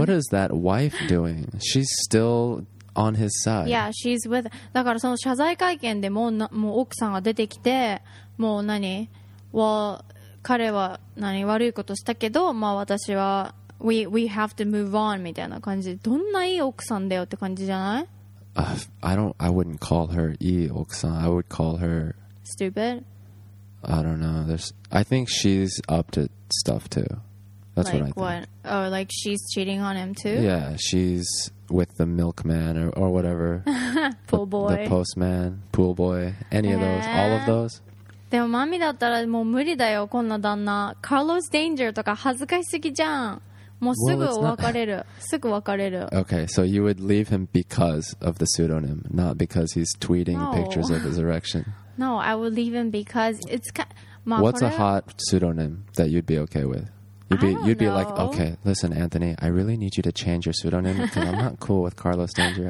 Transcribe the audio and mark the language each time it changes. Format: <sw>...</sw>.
<en>What is that wife doing? She's still on his side. Yeah, she's with...</en> <ja>だからその謝罪会見でもう奥さんが出てきて、もう何</ja> <en>Well,</en> <ja>彼は何悪いことしたけど、まあ私は</ja> <en>We have to move on</en> <ja>みたいな感じ。どんないい奥さんだよって感じじゃない？</ja> <en>I wouldn't call her</en> <ja>いい奥さん。</ja> <en>I would call her stupid. I don't know. I think she's up to stuff too. That's like what I think. What? Oh, like she's cheating on him too? Yeah, she's with the milkman or whatever. Pool boy. The postman, pool boy, any of those, all of those.</en> <ja>でもマミだったらもう無理だよこんな旦那。カーロス・デンジャーとか恥ずかしすぎじゃん。もうすぐ別れる。すぐ別れる。</ja> <en>Okay, so you would leave him because of the pseudonym, not because he's tweeting pictures of his erection. No, I would leave him because it's kind of... What's a hot pseudonym that you'd be okay with? You'd be like, okay, listen, Anthony, I really need you to change your pseudonym because I'm not cool with Carlos Danger.</en>